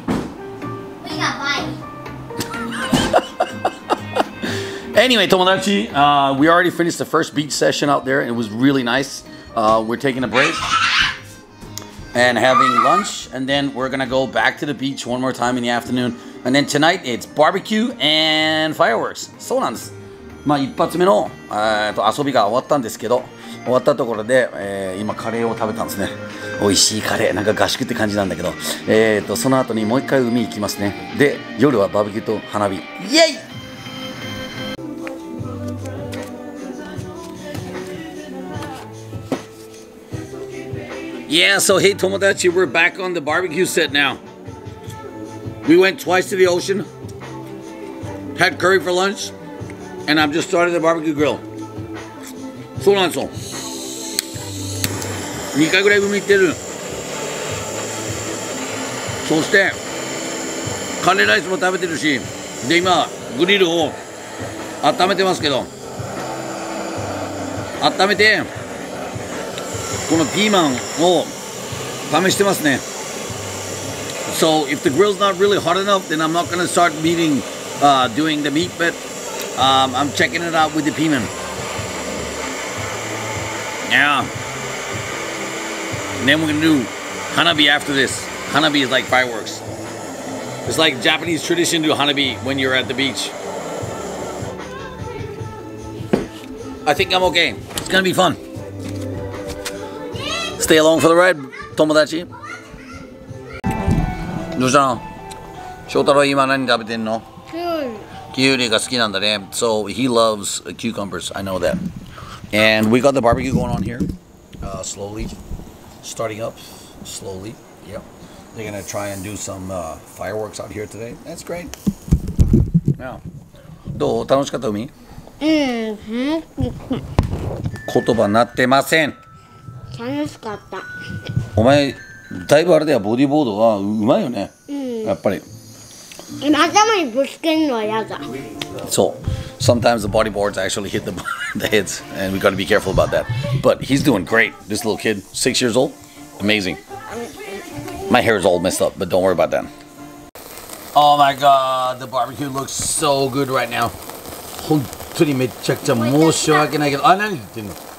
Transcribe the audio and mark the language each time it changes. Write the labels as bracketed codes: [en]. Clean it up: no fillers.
[en] We got five. Anyway, Tomodachi, we already finished the first beach session out there and it was really nice. We're taking a break. And having lunch, and then we're gonna go back to the beach one more time in the afternoon. And then tonight it's barbecue and fireworks. [ja] そうなんです。まあ一発目の、遊びが終わったんですけど、終わったところで、今カレーを食べたんですね。美味しいカレー、なんか合宿って感じなんだけど、その後にもう一回海行きますね。で、夜はバーベキューと花火。イエイ！ [en] Yeah, so hey, Tomodachi, we're back on the barbecue set now. We went twice to the ocean, had curry for lunch, and I've just started the barbecue grill. [ja] そうなんですよ。 2回ぐらい海行ってる。そして、カレーライスも食べてるし、で、今、グリルを温めてますけど、温めて、このピーマンを試してますね。 [en] So, if the grill's not really hot enough, then I'm not gonna start meeting, doing the meat, but, I'm checking it out with the piment. Yeah. And then we're gonna do hanabi after this. Hanabi is like fireworks. It's like Japanese tradition to do hanabi when you're at the beach. I think I'm okay. It's gonna be fun. Stay along for the ride. 友達 [ja] どうしたの翔太郎今何食べてんのキュウリキュウリが好きなんだね [en] So he loves cucumbers, I know that And we got the barbecue going on here Slowly Starting up Slowly Yep They're gonna try and do some fireworks out here today That's great [ja] Now どう楽しかった海うん言葉なってません楽しかったお前、だいぶあれだよ、ボディーボードはうまいよね、うん、やっぱり頭にぶつけるのは嫌だそう、 [en] sometimes the bodyboards actually hit the hits, and we got to be careful about that. But he's doing great. This little kid, 6 years old, amazing. My hair is all messed up, but don't worry about that. Oh my God, the barbecue looks so good right now. [ja] 本当にめちゃくちゃ申し訳ないけど、あ、何言ってんの？